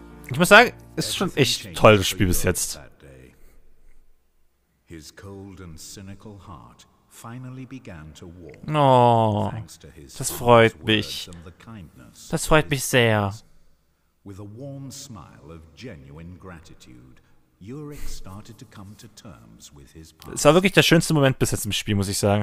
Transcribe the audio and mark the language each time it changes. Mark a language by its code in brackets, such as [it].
[de] Ich muss sagen, es ist schon echt toll, das Spiel bis jetzt. [en] His cold and cynical heart finally began to warm. [de] Oh, das freut mich. Das freut mich sehr. [en] With a warm smile of genuine gratitude, Yurik started to come to terms with his past. [de] Es war wirklich der schönste Moment bis jetzt im Spiel, muss ich sagen.